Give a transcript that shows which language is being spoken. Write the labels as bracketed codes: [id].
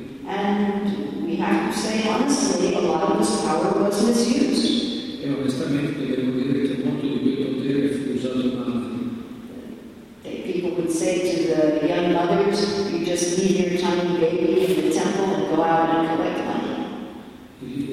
[en] And we have to say honestly, a lot of this power was misused. [it] E onestamente devo dire che molto di quel potere fu usato male. [en] People would say to the young mothers, you just leave your tiny baby in the temple and go out and collect money.